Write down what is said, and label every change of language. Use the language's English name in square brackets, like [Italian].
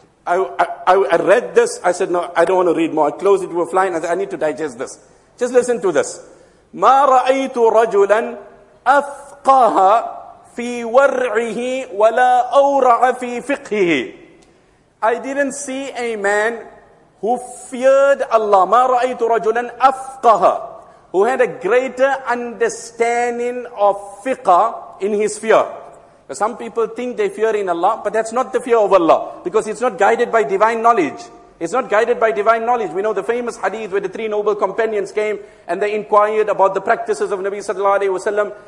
[English] I read this, I said, no, I don't want to read more. I close it with a line, I said, I need to digest this. Just listen to this. [Arabic] مَا رَأَيْتُ رَجُلًا أَفْقَهَ فِي وَرْعِهِ وَلَا أَوْرَعَ فِي فِقْهِهِ [English] I didn't see a man who feared Allah. [Arabic] مَا رَأَيْتُ رَجُلًا أَفْقَهَ [English] Who had a greater understanding of fiqh in his fear. Some people think they fear in Allah, but that's not the fear of Allah. Because it's not guided by divine knowledge. It's not guided by divine knowledge. We know the famous hadith where the three noble companions came and they inquired about the practices of Nabi sallallahu alayhi wasallam.